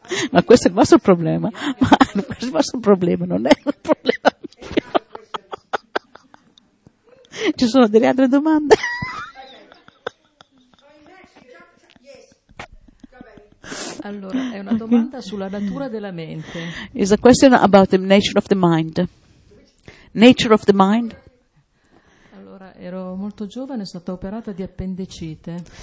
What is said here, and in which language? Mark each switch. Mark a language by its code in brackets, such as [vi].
[it] Ma questo è il vostro problema. Ma questo è il vostro problema, non è un problema mio. Ci sono delle altre domande? Allora, è una domanda sulla natura della mente. [en] Is a question about the nature of the mind. Nature of the mind. [it] Allora, ero molto giovane, sono stata operata di appendicite.